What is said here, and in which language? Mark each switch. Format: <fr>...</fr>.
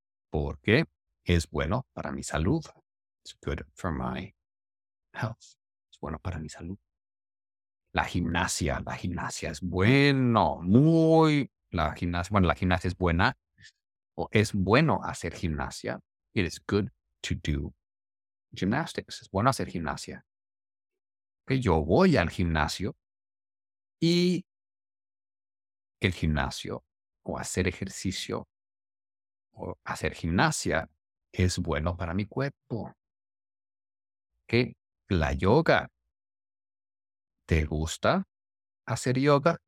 <es>Porque es bueno para mi salud.</es> <en>It's good for my health.</en> <es>Es bueno para mi salud. La gimnasia es bueno, muy, la gimnasia, bueno, la gimnasia es buena, o es bueno hacer gimnasia.</es> <en>It is good to do gymnastics.</en> <es>Es bueno hacer gimnasia. Que yo voy al gimnasio y el gimnasio o hacer ejercicio o hacer gimnasia es bueno para mi cuerpo. Que la yoga. ¿Te gusta hacer yoga?</es>